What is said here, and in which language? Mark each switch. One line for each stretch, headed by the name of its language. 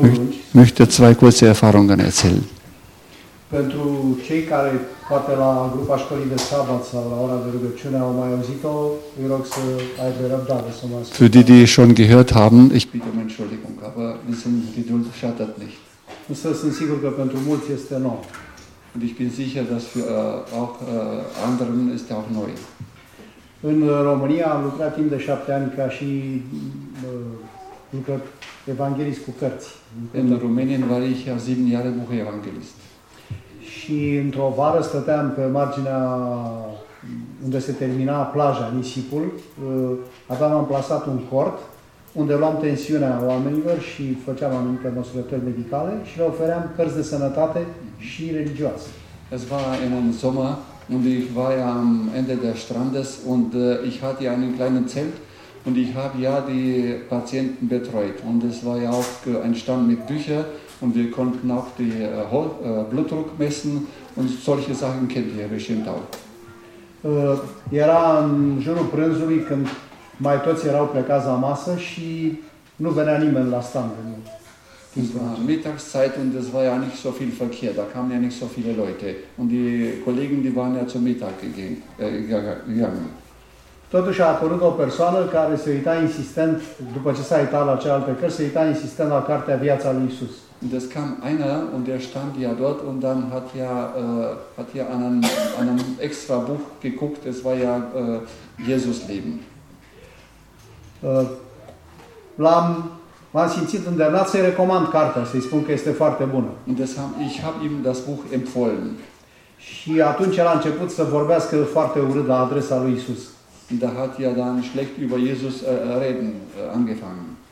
German: Ich möchte zwei kurze Erfahrungen erzählen.
Romanian: Pentru cei care poate la grupa școlii de sabat sau la ora de rugăciune au mai auzit-o, îi rog să aibă răbdare să mă
German: Für die, die schon gehört haben, ich bitte um Entschuldigung, aber wissen Geduld schadet nicht.
Romanian: Însă sunt sigur că pentru mulți este nou.
German: Und ich bin sicher, dass für auch anderen ist auch neu.
Romanian: În România am lucrat timp de 7 ani ca și lucrat evanghelist cu cărți.
German: In Rumänien war ich ja 7 Jahre Buchevangelist.
Romanian: Și într-o vară stăteam pe marginea unde se termina plaja, nisipul, aveam amplasat un cort unde luam tensiunea oamenilor și făceam anumite măsurători medicale și le ofeream cărți de sănătate și religioase.
German: Es war in einem Sommer und ich war ja am Ende der Strandes und ich hatte ja einen kleinen Zelt und ich habe ja die Patienten betreut und es war ja auch ein Stand mit Büchern. Und wir konnten auch die Blutdruck messen und solche Sachen kennt ihr bestimmt auch.
Romanian: Era în jurul prânzului când mai toți erau plecați la masă și nu venea nimeni la stand.
German: Es war Mittagszeit und es war ja nicht so viel Verkehr, da kamen ja nicht so viele Leute. Und die Kollegen, die waren ja zum Mittag gegangen.
Romanian: Totuși a apărut o persoană care se uita insistent, după ce s-a uitat la cealaltă cărți, se uita insistent la cartea Viața lui Iisus.
German: Und es kam einer und der stand ja dort und dann hat ja an einem extra Buch geguckt, es war ja Jesus Leben.
Romanian: M-am simțit îndemnat să-i recomand cartea, să-i spun că este foarte bună.
German: Und deshalb, ich habe ihm das Buch empfohlen.
Romanian: Și atunci el a început să vorbească foarte urât la adresa lui Iisus.
German: Da hat ja dann schlecht über Jesus reden angefangen.